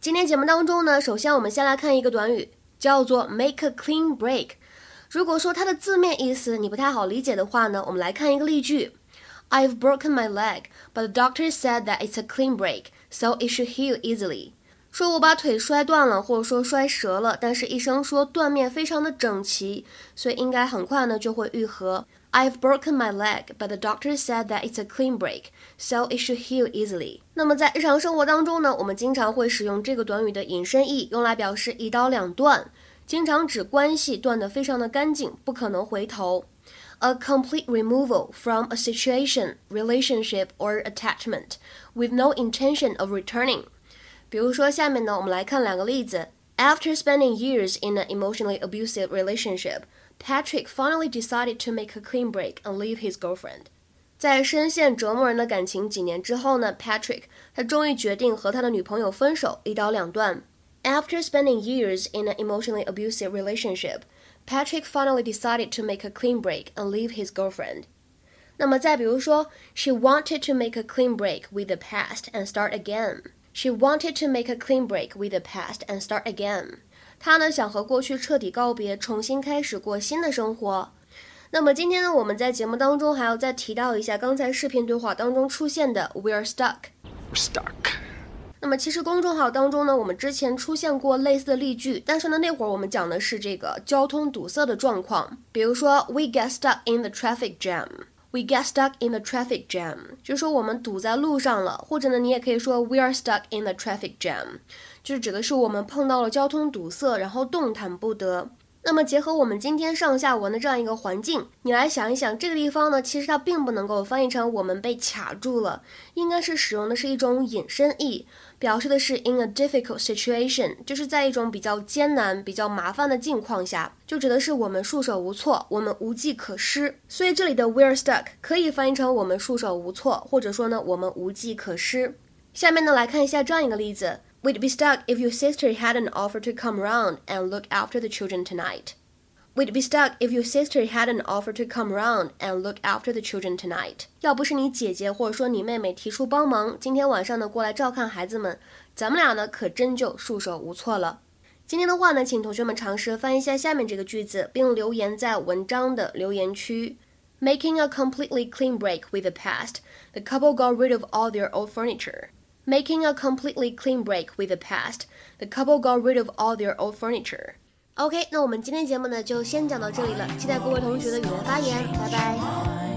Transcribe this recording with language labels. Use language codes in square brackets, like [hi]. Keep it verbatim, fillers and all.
[zh] 今天节目当中呢，首先我们先来看一个短语，叫做 [en] make a clean break。 [zh] 如果说它的字面意思你不太好理解的话呢，我们来看一个例句。 [en] I've broken my leg, but the doctor said that it's a clean break, so it should heal easily. [zh] 说我把腿摔断了，或者说摔折了，但是医生说断面非常的整齐，所以应该很快呢就会愈合。 [en] I've broken my leg, but the doctor said that it's a clean break, so it should heal easily. [zh] 那么在日常生活当中呢，我们经常会使用这个短语的引申义，用来表示一刀两断，经常指关系断得非常的干净，不可能回头。 [en] A complete removal from a situation, relationship, or attachment, with no intention of returning. [zh] 比如说下面呢，我们来看两个例子。 [en] After spending years in an emotionally abusive relationship, Patrick finally decided to make a clean break and leave his girlfriend. [zh] 在深陷折磨人的感情几年之后呢， Patrick 他终于决定和他的女朋友分手，一刀两断。 [en] After spending years in an emotionally abusive relationship, Patrick finally decided to make a clean break and leave his girlfriend. [zh] 那么再比如说 [en] She wanted to make a clean break with the past and start again. She wanted to make a clean break with the past and start again. [zh] 她呢想和过去彻底告别，重新开始过新的生活。那么今天呢，我们在节目当中还要再提到一下刚才视频对话当中出现的 [en] We're stuck. We're stuck. [zh] 那么其实公众号当中呢，我们之前出现过类似的例句，但是呢那会儿我们讲的是这个交通堵塞的状况，比如说 [en] We get stuck in the traffic jam. We get stuck in the traffic jam. [zh] 就是说我们堵在路上了，或者呢，你也可以说 [en] We are stuck in the traffic jam. [zh] 就是指的是我们碰到了交通堵塞，然后动弹不得。那么结合我们今天上下文的这样一个环境，你来想一想，这个地方呢，其实它并不能够翻译成我们被卡住了，应该是使用的是一种引申义，表示的是 [en] in a difficult situation， [zh] 就是在一种比较艰难比较麻烦的境况下，就指的是我们束手无措，我们无计可施。所以这里的 [en] we're stuck [zh] 可以翻译成我们束手无措，或者说呢我们无计可施。下面呢来看一下这样一个例子， [en] We'd be stuck if your sister hadn't offered to come round and look after the children tonight. We'd be stuck if your sister hadn't offered to come round and look after the children tonight. [zh] 要不是你姐姐或者说你妹妹提出帮忙，今天晚上呢过来照看孩子们，咱们俩呢可真就束手无措了。今天的话呢，请同学们尝试翻译一下下面这个句子，并留言在文章的留言区。 [en] Making a completely clean break with the past, the couple got rid of all their old furniture. Making a completely clean break with the past, the couple got rid of all their old furniture. [zh] OK， 那我们今天节目呢就先讲到这里了，期待各位同学的踊跃发言，拜拜。